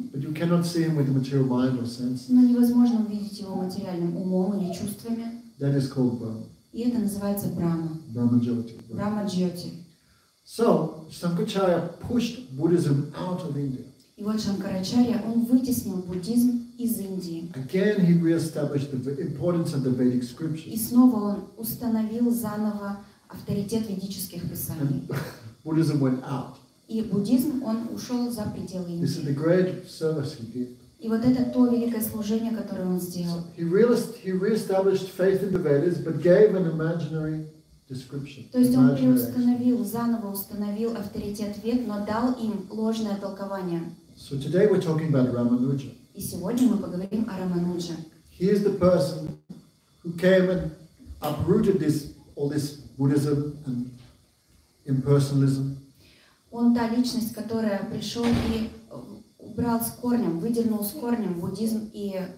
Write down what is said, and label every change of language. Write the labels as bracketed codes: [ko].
[en] But you cannot see him with material mind or sense. [ru] Но невозможно увидеть его материальным умом или чувствами. [en] That is called Brahma. [ru] И это называется Брама. Брама-джоти. Брама-джоти. [en] So Shankaracharya pushed Buddhism out of India. [ru] И вот Шанкарачарья, он вытеснил буддизм из Индии. [en] Again he re-established the importance of the Vedic scriptures. [ru] И снова он установил заново авторитет ведических писаний. [en] Buddhism went out. [ru] И буддизм, он ушел за пределы Индии. [en] This is the great service he did. [ru] И вот это то великое служение, которое он сделал. [en] He re-established faith in the Vedas, but gave an imaginary description. [ru] То есть он установил авторитет Вед, но дал им ложное толкование. [en] So today we're talking about Ramanuja. [ru] И сегодня мы поговорим о Рамануджа. [en] He is the person who came and uprooted all this Buddhism and impersonalism. [ru] Он та личность, которая пришел и убрал с корнем, выдернул с корнем буддизм и